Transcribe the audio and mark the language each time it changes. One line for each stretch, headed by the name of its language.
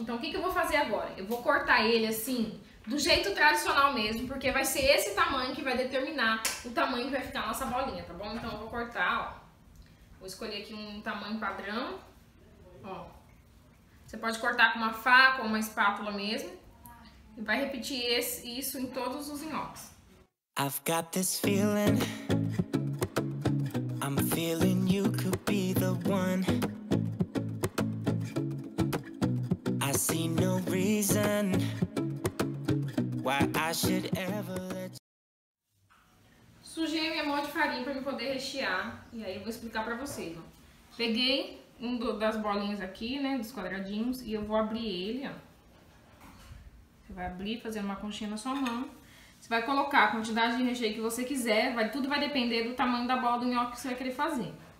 Portuguese: Então, o que, que eu vou fazer agora? Eu vou cortar ele assim, do jeito tradicional mesmo, porque vai ser esse tamanho que vai determinar o tamanho que vai ficar a nossa bolinha, tá bom? Então, eu vou cortar, ó. Vou escolher aqui um tamanho padrão, ó. Você pode cortar com uma faca ou uma espátula mesmo. E vai repetir isso em todos os nhoques.
English: I've got this feeling. I'm feeling you could be the one. I see no reason why I should ever let you.
Portuguese: Sujei minha mão de farinha pra me poder rechear. E aí eu vou explicar pra vocês, ó. Peguei um das bolinhas aqui, né? Dos quadradinhos. E eu vou abrir ele, ó. Você vai abrir fazendo uma conchinha na sua mão. Você vai colocar a quantidade de recheio que você quiser, tudo vai depender do tamanho da bola do nhoque que você vai querer fazer.